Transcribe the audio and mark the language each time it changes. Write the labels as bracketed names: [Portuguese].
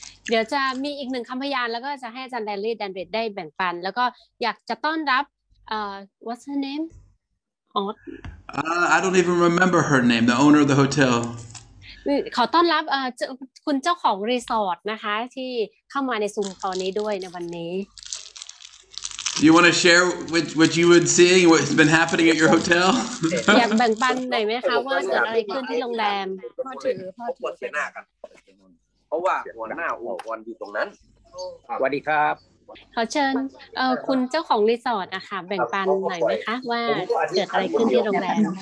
[Thai] เดี๋ยวจะมีอีกหนึ่งคำพยานแล้วก็จะให้อาจารย์แดนนี่แดนเรดได้แบ่งปันแล้วก็อยากจะต้อนรับ [English] what's her name I don't even remember her name the owner of the hotel [Thai] ขอต้อนรับคุณเจ้าของรีสอร์ทนะคะที่เข้ามาในซูมตอนนี้ด้วยในวันนี้ [English] you want to share what you would see what's been happening at your hotel [Thai] อยากแบ่งปันหน่อยไหมคะว่าเกิดอะไรขึ้นที่โรงแรม พอถึงเพราะว่าหัวหน้าองค์กรอยู่ตรงนั้น สวัสดีครับ ขอเชิญคุณเจ้าของรีสอร์ทอะค่ะแบ่งปันหน่อยไหมคะว่าเกิดอะไรขึ้นที่โรงแรม